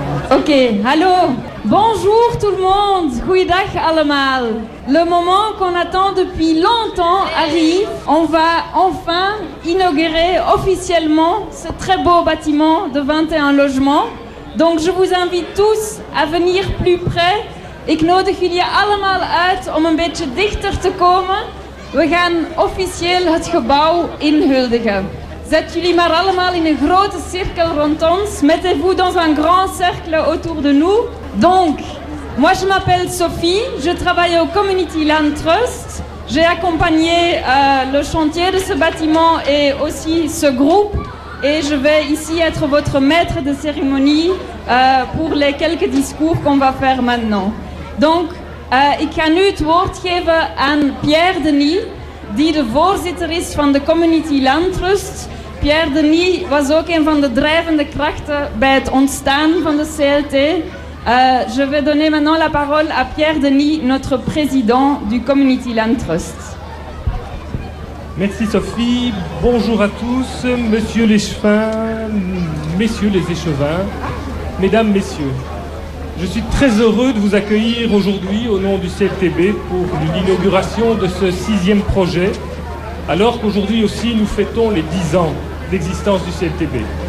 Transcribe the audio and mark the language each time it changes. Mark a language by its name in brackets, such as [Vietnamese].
[French] Ok, allô, bonjour tout le monde, [Dutch] goeiedag allemaal. [French] Le moment qu'on attend depuis longtemps arrive, on va enfin inaugurer officiellement ce très beau bâtiment de 21 logements. Donc je vous invite tous à venir plus près. [Dutch] Ik nodig jullie allemaal uit om een beetje dichter te komen. We gaan officieel het gebouw inhuldigen. Zet jullie maar allemaal in een grote cirkel rond ons. [French] Mettez-vous dans un grand cercle autour de nous. Donc, moi je m'appelle Sophie, je travaille au Community Land Trust. J'ai accompagné le chantier de ce bâtiment et aussi ce groupe. Et je vais ici être votre maître de cérémonie pour les quelques discours qu'on va faire maintenant. [Dutch] Donc, ik ga nu het woord geven aan Pierre Denis, die de voorzitter is van de Community Land Trust. Pierre Denis was ook een van de drijvende krachten bij het ontstaan van de CLT. [French] Je vais donner maintenant la parole à Pierre Denis, notre président du Community Land Trust. Merci Sophie, bonjour à tous, monsieur l'échevin, messieurs les échevins, mesdames, messieurs. Je suis très heureux de vous accueillir aujourd'hui au nom du CLTB pour l'inauguration de ce sixième projet, alors qu'aujourd'hui aussi nous fêtons les 10 ans d'existence du CLTB.